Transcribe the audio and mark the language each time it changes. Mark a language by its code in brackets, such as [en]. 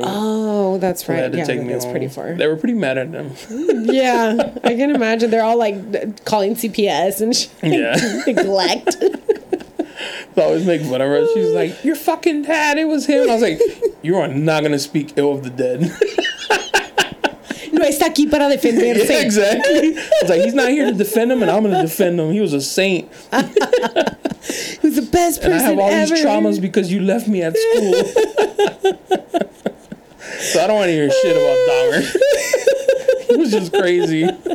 [en] Oh, that's right. Yeah, that's pretty far. They were pretty mad at them. Yeah, I can imagine. They're all like calling CPS and she, yeah. Neglect. They always make fun of her. She's like, your fucking dad, it was him. I was like, you are not going to speak ill of the dead. [es] No está aquí para defenderse. [en] Yeah, exactly. I was like, he's not here to defend him, and I'm going to defend him. He was a saint. He was the best person ever. And I have all ever. These traumas because you left me at school. So I don't want to hear shit about Dahmer. He was just crazy.